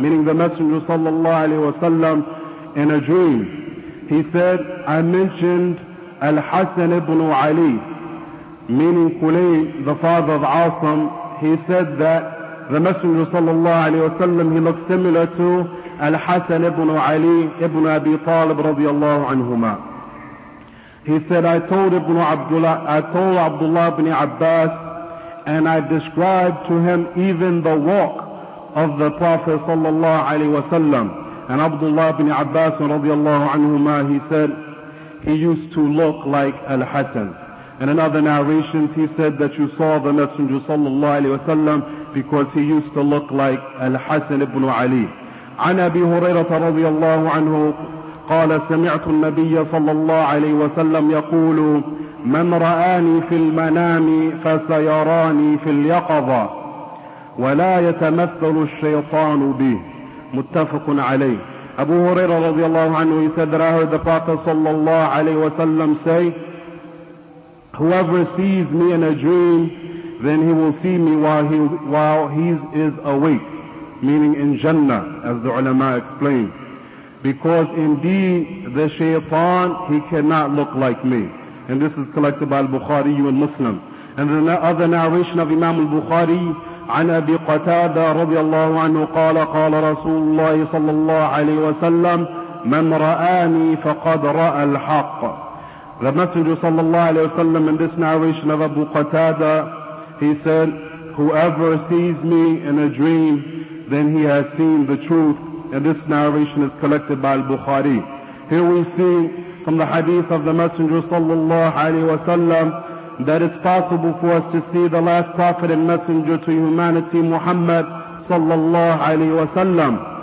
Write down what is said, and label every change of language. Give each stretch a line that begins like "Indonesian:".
English: Meaning the Messenger sallallahu alayhi wa sallam in a dream. He said, I mentioned Al-Hasan ibn Ali. Meaning Kulay, the father of Asim, he said that the Messenger sallallahu alayhi wa sallam, he looked similar to
Arabic: الحسن بن علي بن أبي طالب رضي الله عنهما.
English: He said, I told Ibn Abdullah, I told Abdullah ibn Abbas, and I described to him even the walk of the Prophet sallallahu alayhi wa sallam. And Abdullah ibn Abbas radiallahu anhuma, he said, he used to look like Al-Hasan. And in other narrations, he said that you saw the Messenger sallallahu alayhi wa sallam because he used to look like Al-Hasan ibn Ali.
Arabic: An Abi Hurairah radiallahu anhu, قال سمعت النبي صلى الله عليه وسلم يقول من رآني في المنام فسيراني في اليقظة ولا يتمثل الشيطان بي. متفق عليه. أبو هريرة رضي الله عنه
English: said that I heard the Prophet صلى الله عليه وسلم say whoever sees me in a dream then he will see me while he is awake, meaning in Jannah, as the ulama explained. Because indeed the shaytan, he cannot look like me. And this is collected by al-Bukhari and Muslim. And the other narration of Imam al-Bukhari,
Arabic: عن أبي قتادة رضي الله عنه قال قال رسول الله صلى الله عليه وسلم من رآني فقد رأى الحق.
English: The Messenger صلى الله عليه وسلم in this narration of Abu Qatada, he said, whoever sees me in a dream, then he has seen the truth. And this narration is collected by al-Bukhari. Here we see from the hadith of the Messenger sallallahu alayhi wa sallam that it's possible for us to see the last prophet and messenger to humanity, Muhammad sallallahu alayhi wa sallam.